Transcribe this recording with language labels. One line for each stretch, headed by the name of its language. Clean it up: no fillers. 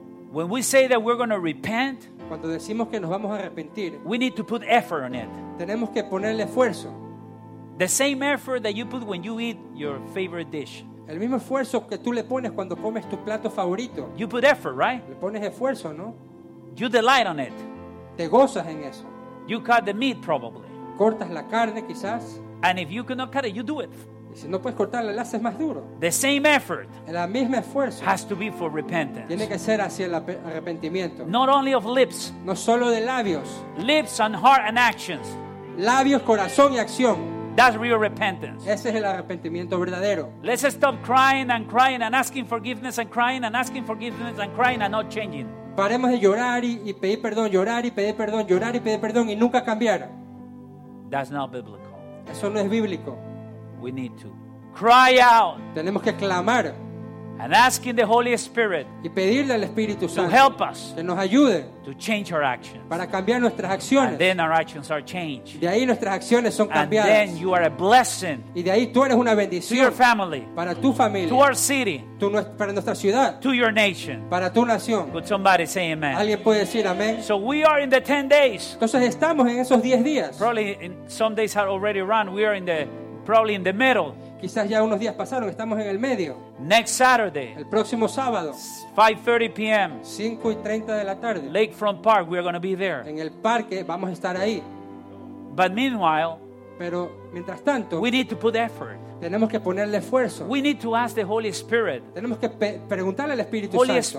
English: When we say that we're going to repent,
Spanish: cuando decimos que nos vamos a arrepentir,
English: we need to put effort on it.
Spanish: Tenemos que ponerle esfuerzo.
English: The same effort that you put when you eat your favorite dish.
Spanish: El mismo esfuerzo que tú le pones cuando comes tu plato favorito.
English: You put effort, right?
Spanish: Le pones esfuerzo, ¿no?
English: You delight on it.
Spanish: Te gozas en eso.
English: You cut the meat probably.
Spanish: Cortas la carne quizás.
English: And if you cannot cut it, you do it.
Spanish: Y si no puedes cortarla, la haces más duro.
English: The same effort.
Spanish: La misma esfuerzo.
English: Has to be for repentance.
Spanish: Tiene que ser hacia el arrepentimiento.
English: Not only of lips.
Spanish: No solo de labios.
English: Lips and heart and actions.
Spanish: Labios, corazón y acción.
English: That's real repentance.
Spanish: Ese es el arrepentimiento verdadero.
English: Let's stop crying and crying and asking forgiveness and crying and asking forgiveness and crying and not changing.
Spanish: Paremos de llorar y pedir perdón, llorar y pedir perdón, llorar y pedir perdón y nunca cambiar.
English: That's not biblical.
Spanish: Eso no es bíblico.
English: We need to cry out.
Spanish: Tenemos que clamar.
English: And asking the Holy Spirit.
Spanish: Y pedirle al Espíritu Santo.
English: To help us.
Spanish: Que nos ayude.
English: To change our actions.
Spanish: Para cambiar nuestras acciones.
English: And then our actions are changed.
Spanish: De ahí nuestras acciones son cambiadas.
English: And then you are a blessing.
Spanish: Y de ahí tú eres una bendición.
English: To your family.
Spanish: Para tu familia.
English: To our city.
Spanish: Para nuestra ciudad.
English: To your nation.
Spanish: Para tu nación.
English: Could somebody say amen?
Spanish: Alguien puede decir amén.
English: So we are in the 10 days.
Spanish: Entonces estamos en esos 10 días.
English: Probably in some days have already run. We are in the probably in the middle.
Spanish: Quizás ya unos días pasaron, estamos en el medio.
English: Next Saturday.
Spanish: El próximo sábado.
English: 5:30 p.m.
Spanish: 5:30 de la tarde.
English: Lakefront Park, we are going to be there.
Spanish: En el parque vamos a estar ahí.
English: But meanwhile,
Spanish: pero mientras tanto,
English: we need to put effort.
Spanish: Tenemos que ponerle esfuerzo.
English: We need to ask the Holy Spirit.
Spanish: Tenemos que preguntarle al Espíritu
English: Holy
Spanish: Santo.